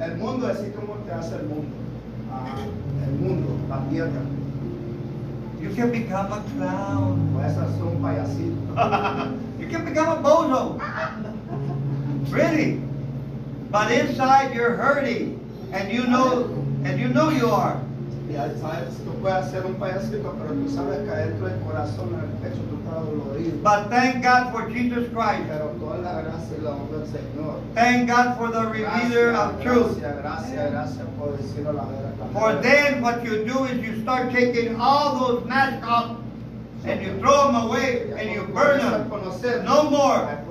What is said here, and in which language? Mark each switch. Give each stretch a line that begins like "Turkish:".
Spanish: El mundo así como te hace el mundo. El mundo, la tierra.
English: You can become a clown.
Spanish: Puedes hacer un payasito.
English: You can become a bozo. Really? But inside you're hurting, and you know you are.
Spanish: Y ahí sabes, tú puedes hacer un payasito, pero tú sabes que adentro del corazón, en el pecho, tú estás dolorido.
English: But thank God for Jesus Christ.
Spanish: Pero toda la gracia y la honra del Señor.
English: Thank God for the revealer of truth.
Spanish: Gracias, gracias, gracias por decir la verdad.
English: For then what you do is you start taking all those masks off and you throw them away and you burn them. No more.